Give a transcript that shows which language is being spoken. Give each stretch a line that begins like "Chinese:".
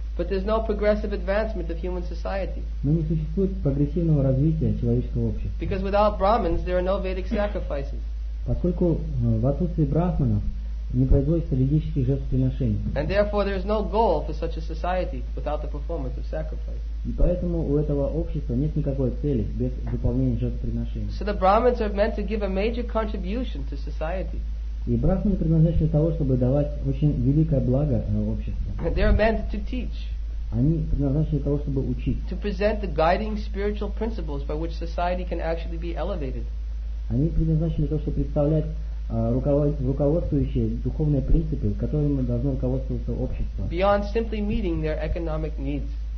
English: But there's no progressive advancement of human society.
Russian: Но не существует прогрессивного развития человеческого общества.
English: Because without brahmins, there are no Vedic sacrifices.
Russian: Поскольку в отсутствии брахманов не производится ведических жертвоприношений.
English: And therefore there is no goal for such a society without the performance of sacrifice.
Russian: И поэтому у этого общества нет никакой цели без выполнения жертвоприношений.
English: So the brahmins are meant to give a major contribution to society.
Russian: И брахманы предназначены для того, чтобы давать очень великое благо обществу.
English: They are meant to teach.
Russian: Они предназначены для того, чтобы учить.
English: To present the guiding spiritual principles by which society can actually be elevated.
Russian: Они предназначены для того, чтобы представлять руководствующие духовные принципы, которыми должно руководствоваться общество.
English: Beyond simply meeting their economic needs.